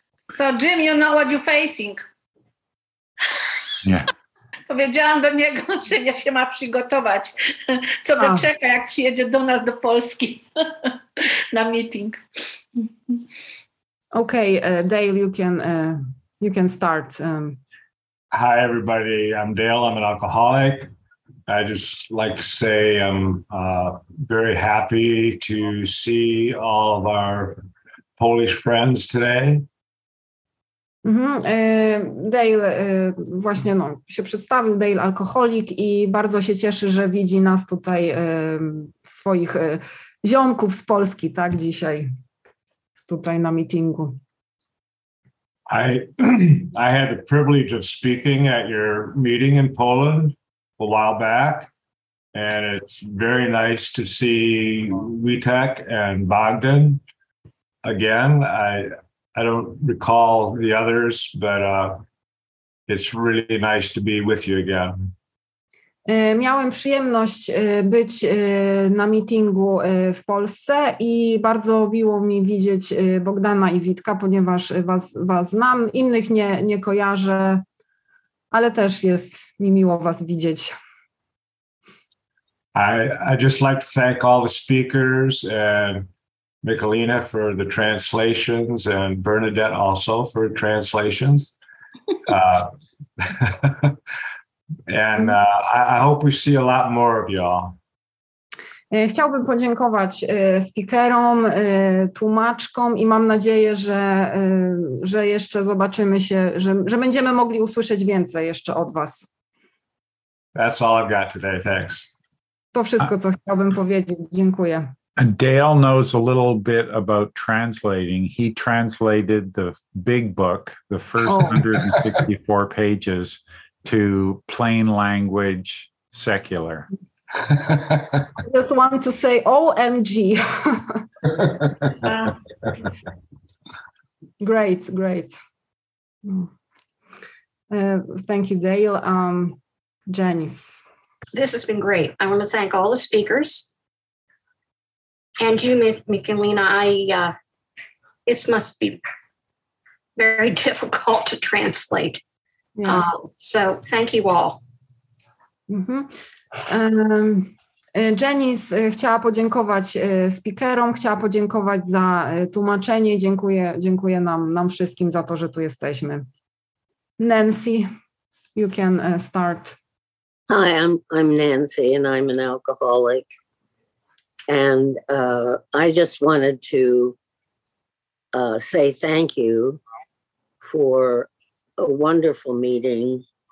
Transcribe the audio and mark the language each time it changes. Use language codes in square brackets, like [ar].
[en] So, Jim, you know what you're facing. Yeah. [pl] Powiedziałam do niego, że ja się ma przygotować, co go czeka, jak przyjedzie do nas do Polski na meeting. [en] Okay, Dale, you can start. Hi, everybody. I'm Dale. I'm an alcoholic. I just like to say I'm very happy to see all of our Polish friends today. Mm-hmm. [pl] Dale właśnie no, się przedstawił, Dale alkoholik i bardzo się cieszy, że widzi nas tutaj swoich ziomków z Polski, tak, dzisiaj tutaj na meetingu. [en] I had the privilege of speaking at your meeting in Poland a while back and it's very nice to see Witek and Bogdan. Again, I don't recall the others, but it's really nice to be with you again. [pl] Miałem przyjemność być na meetingu w Polsce i bardzo miło mi widzieć Bogdana i Witka, ponieważ was znam, innych nie kojarzę, ale też jest mi miło was widzieć. [en] I just like to thank all the speakers and Michalina for the translations and Bernadette also for translations. and I hope we see a lot more of y'all. [pl] Chciałbym podziękować speakerom, tłumaczkom i mam nadzieję, że jeszcze zobaczymy się, że będziemy mogli usłyszeć więcej jeszcze od Was. [en] That's all I've got today. Thanks. [pl] To wszystko, co chciałbym powiedzieć. Dziękuję. [en] Dale knows a little bit about translating. He translated the big book, the first 164 pages, to plain language, secular. I just want to say OMG. Great, great. Thank you, Dale. Janice. This has been great. I want to thank all the speakers. And you, Michalina, this must be very difficult to translate. Yeah. So thank you all. Mm-hmm. [pl] Janice chciała podziękować speakerom, chciała podziękować za tłumaczenie. Dziękuję nam wszystkim za to, że tu jesteśmy. [en] Nancy, you can start. Hi, I'm Nancy and I'm an alcoholic. And I just wanted to say thank you for a wonderful meeting.